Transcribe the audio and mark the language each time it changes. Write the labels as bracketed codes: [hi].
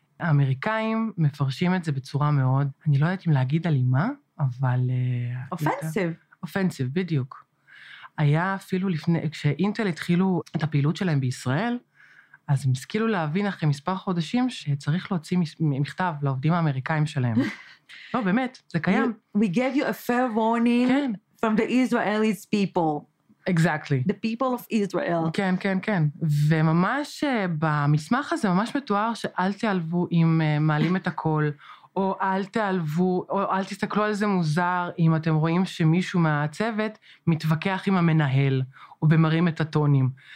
[he] האמריקאים מפרשים את זה בצורה מאוד, אני לא יודעת אם להגיד אלימה, אבל אופנסיב. אופנסיב, בדיוק. היה אפילו לפני, כשאינטל התחילו את הפעילות שלהם בישראל, אז הם השכילו להבין אחרי מספר חודשים שצריך להוציא מכתב לעובדים האמריקאים שלהם. לא, באמת, זה קיים. [en] We gave you a fair warning from the Israeli's people. Exactly. The people of Israel. [he] כן, כן, כן. וממש במסמך הזה ממש מתואר שאל תיעלבו אם מעלים את הכל, או אל תעלבו, או אל תסתכלו על זה מוזר, אם אתם רואים שמישהו מהצוות מתווכח עם המנהל, או במרים את הטונים.